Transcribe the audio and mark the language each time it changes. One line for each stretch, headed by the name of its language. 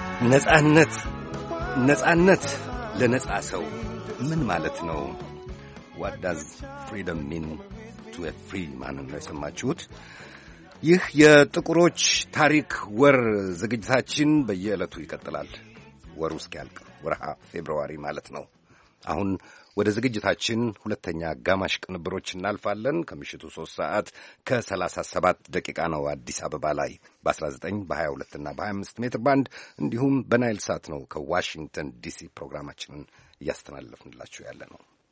Amharic: ነጻነት ነጻነት ለነጻ ሰው ምን ማለት ነው?
English: What does freedom mean to a free man?
Amharic: ለሰማችሁት ይህ የጥቁሮች ታሪክ ወር ዝግጅታችን በየዕለቱ ይከተላል። ወሩ እስኪያልቅ ወርሃ ፌብሩዋሪ ማለት ነው። አሁን ወደ ዝግጅታችን ሁለተኛ ጋማሽ ቅንብሮች እናልፋለን። ከምሽቱ 3 ሰዓት ከ37 ደቂቃ ነው አዲስ አበባ ላይ በ19 በ22 እና በ25 ሜትር ባንድ እንዲሁም በናይል ሳት ነው ከዋሽንግተን ዲሲ ፕሮግራማችንን እያስተላለፍንላችሁ ያለ ነው።